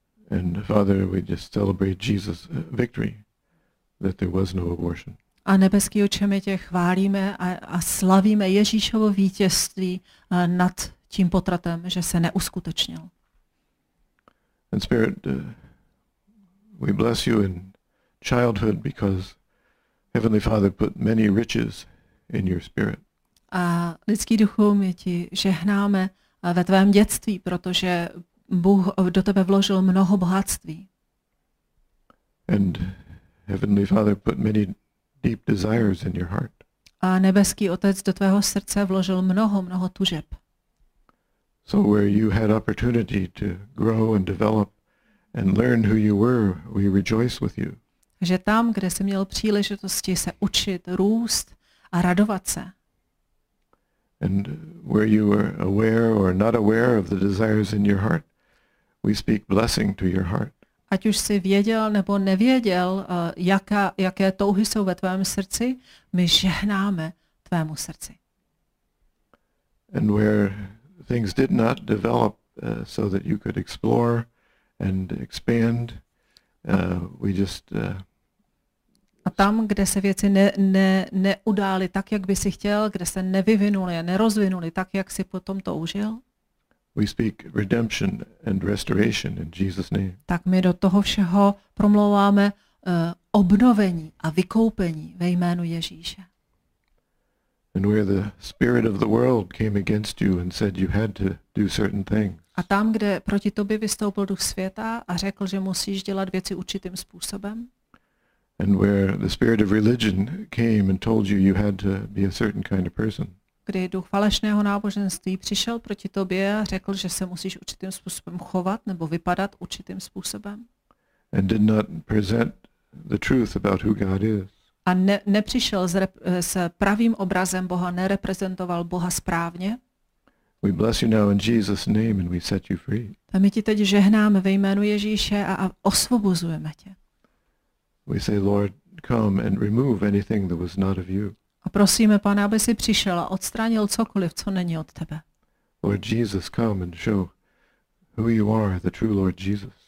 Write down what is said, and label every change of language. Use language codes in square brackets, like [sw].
[en] And Father, we just celebrate Jesus' victory that there was no abortion. [cs] A nebeský Otče, my tě chválíme a slavíme Ježíšovo vítězství nad tím potratem, že se neuskutečnil. [en] And Spirit, we bless you in childhood because Heavenly Father put many riches in your spirit. [cs] A lidský duchu, my ti žehnáme ve tvém dětství, protože Bůh do tebe vložil mnoho bohatství. [en] And Heavenly Father put many deep desires in your heart. [cs] A nebeský Otec do tvého srdce vložil mnoho tužeb. [en] So where you had opportunity to grow and develop and learn who you were, we rejoice with you. [cs] Že tam, kde jsi měl příležitosti se učit, růst a radovat se. [en] And where you were aware or not aware of the desires in your heart, we speak blessing to your heart. [cs] Ať už jsi věděl nebo nevěděl, jaké touhy jsou ve tvém srdci, my žehnáme tvému srdci. [en] And where things did not develop so that you could explore and expand, we just [cs] A tam, kde se věci neudály tak, jak by si chtěl, kde se nevyvinuly a nerozvinuly tak, jak si potom toužil. [en] We speak redemption and restoration in Jesus' name. [cs] Tak my do toho všeho promlouváme obnovení a vykoupení ve jménu Ježíše. [en] And where the spirit of the world came against you and said you had to do certain things. [cs] A tam, kde proti tobě vystoupil duch světa a řekl, že musíš dělat věci určitým způsobem. [en] And where the spirit of religion came and told you you had to be a certain kind of person. [cs] Kdy duch falešného náboženství přišel proti tobě a řekl, že se musíš určitým způsobem chovat nebo vypadat určitým způsobem. [en] And did not present the truth about who God is. [cs] A nepřišel s pravým obrazem Boha, nereprezentoval Boha správně. [en] We bless you now in Jesus' name and we set you free. [cs] A my ti teď žehnáme ve jménu Ježíše a osvobozujeme tě. [en] We say, Lord, come and remove anything that was not of you. [cs] A prosíme, Pane, aby si přišel a odstranil cokoliv, co není od tebe. [en] Lord Jesus, come and show who you are, the true Lord Jesus.